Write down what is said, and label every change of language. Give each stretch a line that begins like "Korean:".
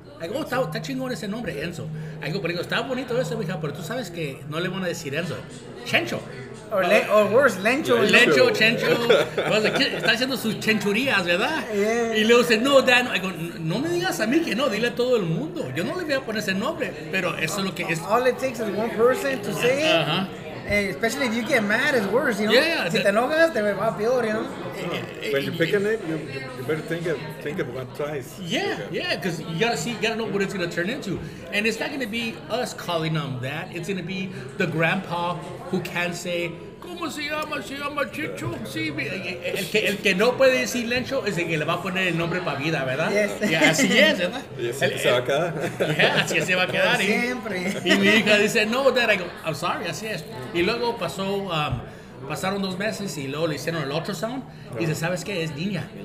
Spanish: Digo, está chingón ese nombre, Enzo. Digo, pero está bonito eso, mi hija, pero tú sabes que no le van a decir Enzo. Chencho.
English: O worse, Lencho.
Spanish: Lencho, Chencho. Está haciendo sus chenchurías, ¿verdad?
English: Yeah.
Spanish: Y luego dice, no, Dan. Digo, no me digas a mí que no, dile a todo el mundo. Yo no le voy a poner ese nombre, pero eso es lo que es.
English: All it takes is one person to say it. Especially if you get mad, it's worse, you know? Yeah.
Spanish: Si te enojas, te va peor,
English: you know? When you pick a name, you better think of one twice. Yeah, because you gotta know what it's gonna turn into. And it's not gonna be us calling them that. It's gonna be the grandpa who can say,
Spanish: ¿Cómo se llama Chicho? Sí, el que no puede decir Lencho es el que le va a poner el nombre para vida, ¿verdad?
English: Yes.
Spanish: Yeah, así es, ¿verdad? Y así se va a quedar. Yeah, así se va a quedar. Siempre. Y mi hija dice, no, Dad,
English: I go, I'm sorry,
Spanish: así es. Y luego pasó, pasaron 2 meses y luego le hicieron el ultrasound y dice, ¿sabes qué? Es niña.